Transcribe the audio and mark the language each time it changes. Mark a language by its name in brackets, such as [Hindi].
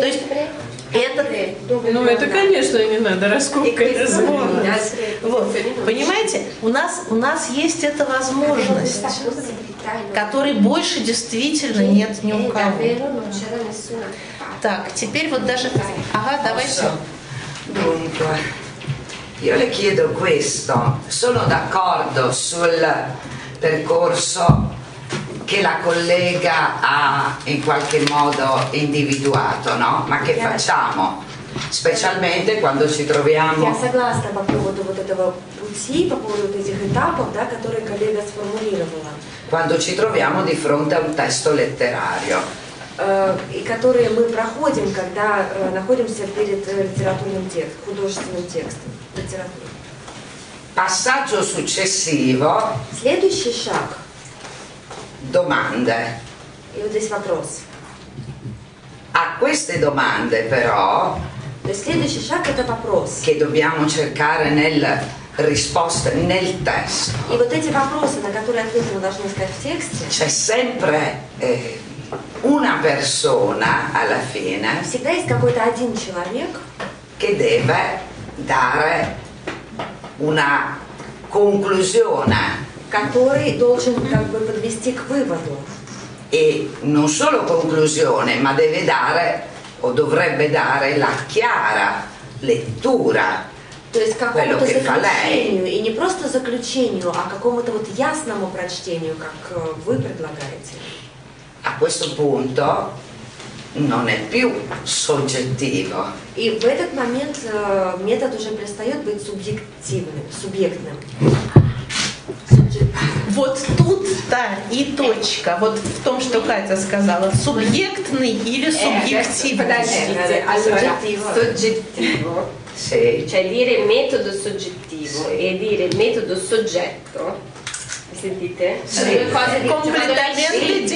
[Russian] То есть, Это, конечно, не надо, раскопка это звонка. Вот, понимаете, у нас есть эта возможность, которой больше действительно нет ни у кого. Так, теперь вот даже. Ага, давайте. [Italian] Dunque, io le chiedo questo. Sono d'accordo sul percorso che la collega ha in qualche modo individuato, no? Ma che facciamo? Specialmente quando ci troviamo. [Russian] Я согласна по поводу вот этого пути, по поводу этих этапов, да, которые коллега сформулировала. [Italian] Quando ci troviamo di fronte a un testo letterario. [Russian] И которые мы проходим, когда находимся перед литературным текстом, художественным текстом, литературным. [Italian] Passaggio successivo. [Russian] Следующий шаг. [Italian] Domande. [Russian] И вот здесь вопрос. [Italian] A queste domande però. [Russian] Lo следующий шаг это вопрос. [Italian] Che dobbiamo cercare nel risposte nel testo. [Russian] И вот эти вопросы, на которые ответы мы должны искать в тексте. [Italian] C'è sempre una persona alla fine. [Russian] Всегда есть какой-то один человек. [Italian] Che deve dare una conclusione. [Russian] Который должен как бы подвести к выводу. [Italian] E non solo conclusione, ma deve dare o dovrebbe dare la chiara lettura. [Russian] То есть какому-то заключению, и не просто заключению, а какому-то вот ясному прочтению, как вы предлагаете. [Italian] A questo punto non è più soggettivo. [Russian] И в этот момент метод уже перестает быть субъективным, субъектным. Вот тут, да, и точка. Вот в том, что Катя сказала. Субъектный или субъективный? Подождите. Субъективный. Субъективный. [Italian] Sì. Cioè dire metodo soggettivo sì. E dire metodo soggetto. Sentite? Sì. Sono due cose completamente sì.